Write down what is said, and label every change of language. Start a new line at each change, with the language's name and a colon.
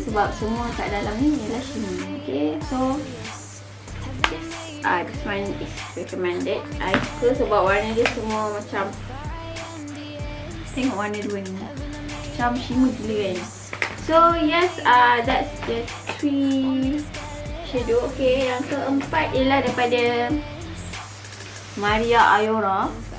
Malay: Sebab semua kat dalam ni ialah shimmer.
English: Okay, so yes, this one is recommended.
Malay: I suka sebab warna dia semua macam, tengok warna dua ni, macam shimmer gila kan.
English: So yes, that's the three shadow.
Malay: Okay, yang keempat ialah daripada Maria Ayora.